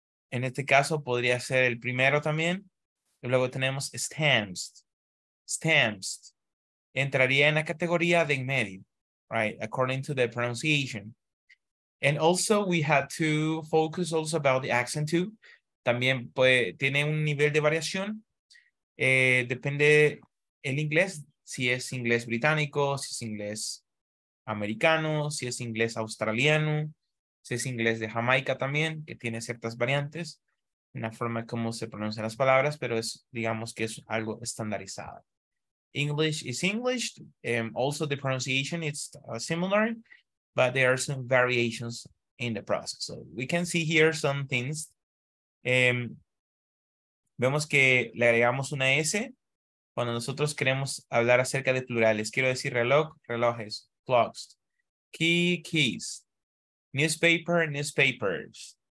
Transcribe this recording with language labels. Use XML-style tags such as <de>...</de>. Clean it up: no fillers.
<es>En este caso podría ser el primero también. Y luego tenemos stamps, stamps. Entraría en la categoría de en medio, right?</es> <en>According to the pronunciation. And also we had to focus also about the accent too.</en> <es>También puede, tiene un nivel de variación. Depende el inglés, si es inglés británico, si es inglés americano, si es inglés australiano, si es inglés de Jamaica también, que tiene ciertas variantes en la forma como se pronuncian las palabras, pero es, digamos que es algo estandarizado.</es> <en>English is English, also the pronunciation is similar, but there are some variations in the process. So we can see here some things.</en> <es>Vemos que le agregamos una S cuando nosotros queremos hablar acerca de plurales. Quiero decir reloj, relojes. Clocks, key, keys, newspaper, newspapers.</es>